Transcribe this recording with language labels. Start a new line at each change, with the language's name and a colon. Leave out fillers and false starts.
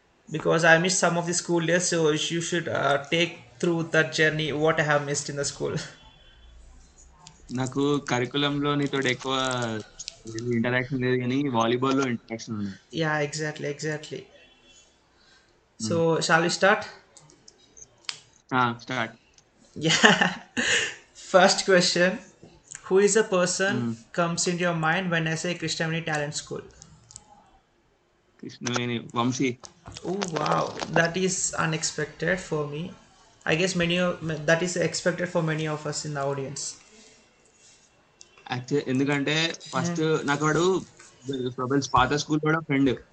English: Because I missed some of the school days, so you should take through that journey, what I have missed in the school.
Telugu: నాకు కరికులంలో నీతోటి ఎక్కువ interaction లేదు, కానీ volleyball లో interaction ఉంది.
English: Yeah, exactly. So, shall we start? Start. Yeah, first question. Who is the person comes into your mind when I say Krishnaveni Talent School? Krishnaveni, Vamsi. Oh, wow. That is unexpected for me. I guess that is expected for many of us in the audience. Actually,
Telugu: ఎందుకంటే first నాకు వాడు profiles పాత school కూడా friend.